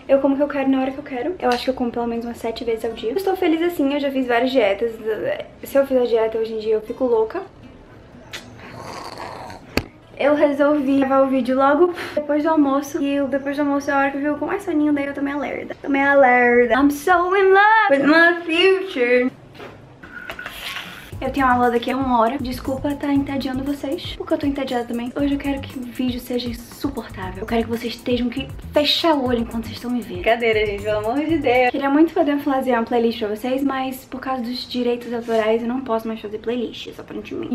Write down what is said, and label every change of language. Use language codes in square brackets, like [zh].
[pt] Eu como o que eu quero na hora que eu quero. Eu acho que eu como pelo menos umas 7 vezes ao dia. Eu estou feliz assim, eu já fiz várias dietas. Se eu fizer dieta hoje em dia, eu fico louca. Eu resolvi gravar o vídeo logo depois do almoço. E depois do almoço é a hora que eu fico com mais soninho. Daí eu tomei a lerda. Tomei a lerda. [en] I'm so in love with my future. [pt] Eu tenho aula daqui a 1 hora. Desculpa estar entediando vocês, porque eu tô entediada também. Hoje eu quero que o vídeo seja insuportável. Eu quero que vocês estejam aqui, fechar o olho enquanto vocês estão me vendo. Brincadeira, gente, pelo amor de Deus. Queria muito poder fazer uma playlist pra vocês, mas por causa dos direitos autorais eu não posso mais fazer playlists, aparentemente.